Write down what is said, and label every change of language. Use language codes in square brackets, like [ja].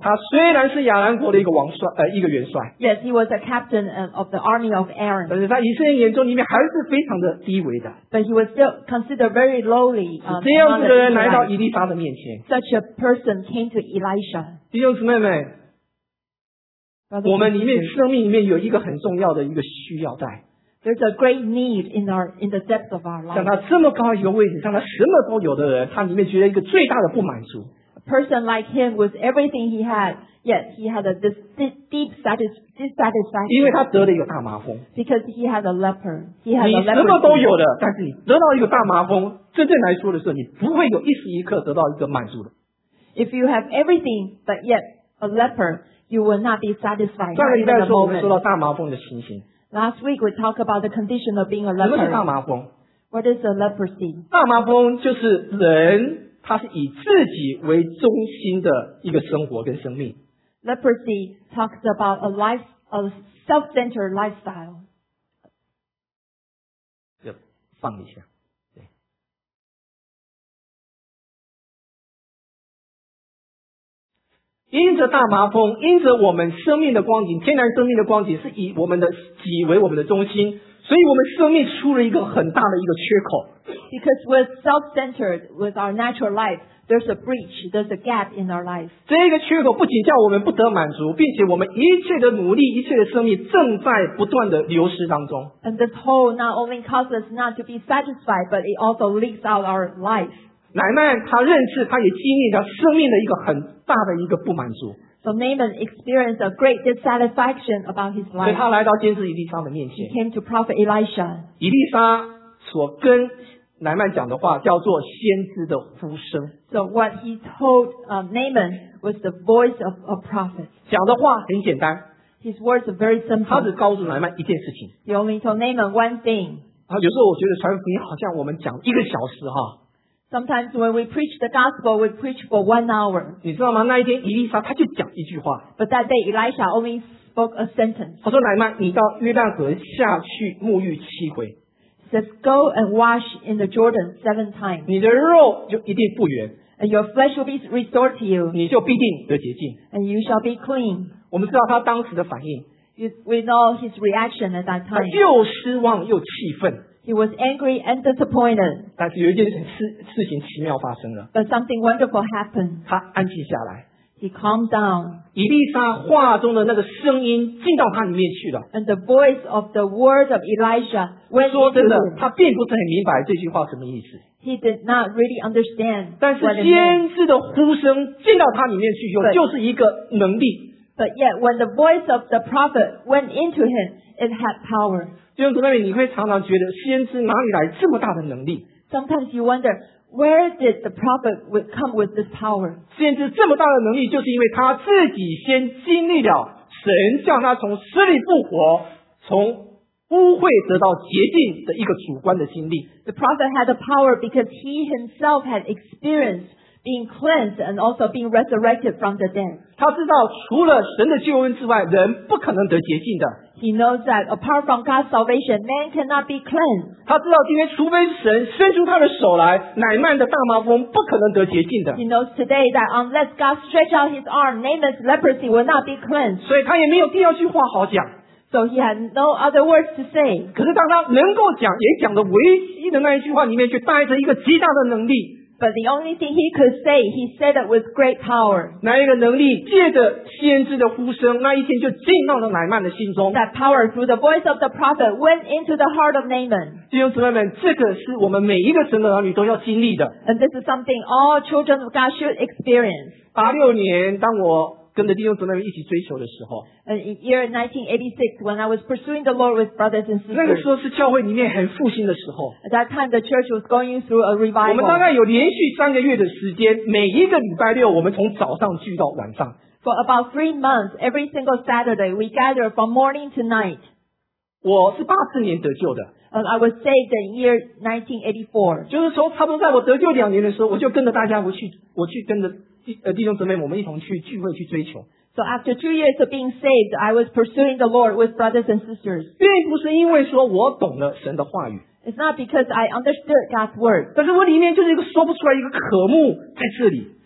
[zh] 他虽然是亚兰国的一个王帅一个元帅。 [en] Yes, he was a captain of the army of Aaron. [zh] 但是在以色列人眼中里面还是非常的低微的。 [en] But he was still considered very lowly. [zh] 这样子的人来到以利沙的面前。 [en] Such a person came to Elisha. [zh] 弟兄姊妹们我们里面生命里面有一个很重要的一个需要带 [en] There's a great need in the depth of our life [zh] 像他这么高一个位置像他什么都有的人他里面觉得一个最大的不满足 [en] A person like him with everything he had Yet he had a deep dissatisfaction [zh] 因为他得了一个大麻风 [en] Because he had a leper [zh] 你什么都有的但是你得到一个大麻风真正来说的时候你不会有一时一刻得到一个满足的 [en] If you have everything but yet a leper, you will not be satisfied. [zh] 上个礼拜说我们说到大麻风的情形。 [en] Last week we talked about the condition of being a leper. [zh] 什么是大麻风？ [en] What is a leprosy? [zh] 大麻风就是人他是以自己为中心的一个生活跟生命。 [en] Leprosy talks about a life of self-centered lifestyle. [zh] 要放一下。因着大麻风，因着我们生命的光景，天然生命的光景是以我们的己为我们的中心，所以我们生命出了一个很大的一个缺口。 [en] Because we're self-centered with our natural life, there's a breach, there's a gap in our life. [zh] 这个缺口不仅叫我们不得满足，并且我们一切的努力，一切的生命正在不断的流失当中。 [en] And this hole not only causes us not to be satisfied, but it also leaks out our life. [zh] 乃曼他认识他也经历了生命的一个很大的一个不满足。 [en] So Naaman experienced a great dissatisfaction about his life. [zh] 所以他来到先知以利沙的面前。 [en] He came to Prophet Elisha. [zh] 以利沙所跟乃曼讲的话叫做先知的呼声。 [en] So what he told Naaman was the voice of a prophet. [zh] 讲的话很简单。 [en] His words are very simple. [zh] 他只告诉乃曼一件事情。 [en] He only told Naaman one thing. [zh] 有时候我觉得传福音好像我们讲一个小时哈。 [en] Sometimes when we preach the gospel, we preach for one hour. [zh] 你知道吗？那一天，伊丽莎他就讲一句话。 [en] But that day, Elisha only spoke a sentence. [zh] 他说：“乃曼，你到约旦河下去沐浴七回。” [en] Says, "Go and wash in the Jordan seven times." [zh] 你的肉就一定复原。 [en] And your flesh will be restored to you. [zh] 你就必定得洁净。 [en] And you shall be clean. [zh] 我们知道他当时的反应。 [en] We know his reaction at that time. [zh] 他又失望又气愤。 [en] He was angry and disappointed. [zh] 但是有一件 事情奇妙发生了。 [en] But something wonderful happened. [zh] 他安静下来。 [en] He calmed down. [zh] 以利沙话中的那个声音进到他里面去了。 [en] And the voice of the word of Elisha went into him. [zh] 说真的，他并不是很明白这句话什么意思。 [en] He did not really understand. [zh] 但是先知的呼声进到他里面去以后，就是一个能力。 [en] But yet, when the voice of the prophet went into him, it had power. [zh] 弟兄姊妹，你会常常觉得先知哪里来这么大的能力？ [en] Sometimes you wonder, where did the prophet come with this power? [zh] 先知这么大的能力就是因为他自己先经历了神叫他从死里复活，从污秽得到洁净的一个主观的经历。 [en] The prophet had the power because he himself had experienced being cleansed and also being resurrected from the dead. [zh] 他知道除了神的救恩之外，人不可能得洁净的。 [en] He knows that apart from God's salvation, man cannot be cleansed. [zh] 他知道今天除非神伸出他的手来，乃曼的大麻风不可能得洁净的。 [en] He knows today that unless God stretch out his arm, Naaman's leprosy will not be cleansed. [zh] 所以他也没有第二句话好讲。 [en] So he had no other words to say. [zh] 可是当他能够讲，也讲的唯一的那一句话里面却带着一个极大的能力。 [en] But the only thing he could say, he said it with great power. [zh] 那一个能力借着先知的呼声，那一天就进到了乃曼的心中。 [en] That power through the voice of the prophet went into the heart of Naaman. [zh] 弟兄姊妹们，这个是我们每一个神的儿女都要经历的。 [en] And this is something all children of God should experience. [zh] 86年，当我跟着弟兄姊妹们一起追求的时候。 [en] And in year 1986, when I was pursuing the Lord with brothers and sisters. [zh] 那个时候是教会里面很复兴的时候。 [en] At that time, the church was going through a revival. [zh] 我们大概有连续三个月的时间，每一个礼拜六，我们从早上聚到晚上。 [en] For about 3 months, every single Saturday, we gather from morning to night. [zh] 我是84年得救的。 [en] And I was saved in year 1984. [zh] 就是说，差不多在我得救两年的时候，我就跟着大家，我去跟着。弟兄姊妹，我们一同去聚会去追求。 [en] So after 2 years of being saved, I was pursuing the Lord with brothers and sisters. [zh] 并不是因为说我懂了神的话语。 [en] It's not because I understood God's word. [zh] 但是我里面就是一个说不出来一个渴慕在这里。